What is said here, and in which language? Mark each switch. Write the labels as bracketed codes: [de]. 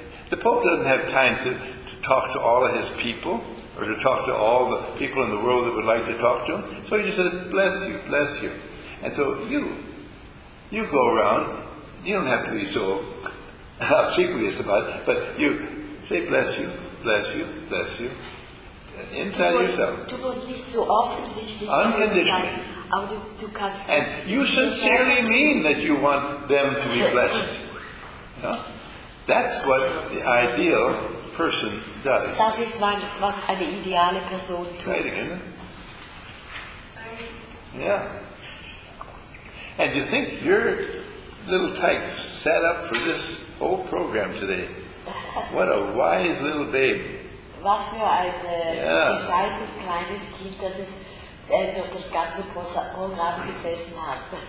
[en] The Pope doesn't have time to talk to all of his people, or to talk to all the people in the world that would like to talk to him. So he just says, bless you, bless you. And so you go around, you don't have to be so obsequious about it, but you say, bless you, bless you, bless you. Inside yourself. [de] Du musst nicht so offensichtlich sein, aber du kannst. [en] And you sincerely mean that you want them to be blessed. No? That's what the ideal person does. [de] Das ist was eine ideale Person tut. [en] Say it again. Yeah. And you think your little tyke set up for this whole program today? What a wise little babe. [de] Was für ein bescheidenes kleines Kind, das es durch das ganze Programm gesessen hat.